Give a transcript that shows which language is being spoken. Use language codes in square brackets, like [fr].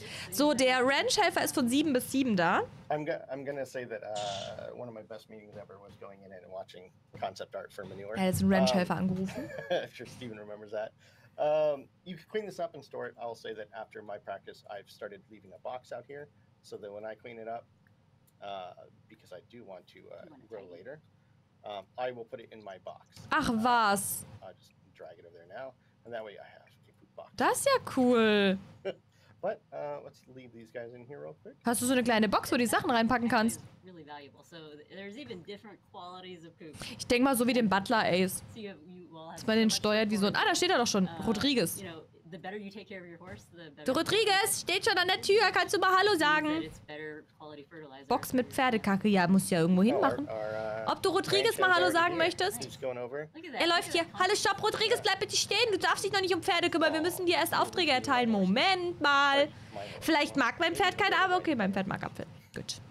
[de] So, der Ranch-Helfer ist von 7 bis 7 da. [en] I'm gonna say that one of my best meetings ever was going in and watching concept art for manure. [de] Er ist ein Ranch-Helfer angerufen. [en] I'm sure Steven remembers that. You can clean this up and store it. I'll say that after my practice, I've started leaving a box out here, so that when I clean it up, because I do want to grow later, I will put it in my box. [de] Ach was. [en] I'll just drag it over there now, and that way I have a poop box. [de] Das ist ja cool. [en] But let's leave these guys in here real quick. [de] Hast du so eine kleine Box, wo du die Sachen reinpacken kannst? [en] Really valuable. So there's even different qualities of poop. [de] Ich denke mal so wie den Butler Ace. Dass man den steuert wie so ein... Ah, da steht er doch schon. Rodriguez. [en] You know, the better you take care of your horse, the better. [de] Du Rodriguez, steht schon an der Tür. Kannst du mal Hallo sagen? Box mit Pferdekacke. Ja, muss ja irgendwo hinmachen. Ob du Rodriguez mal Hallo sagen möchtest? Er läuft hier. Hallo, stopp, Rodriguez, bleib bitte stehen. Du darfst dich noch nicht um Pferde kümmern. Wir müssen dir erst Aufträge erteilen. Moment mal. Vielleicht mag mein Pferd keine Apfel. Okay, mein Pferd mag Apfel. Gut.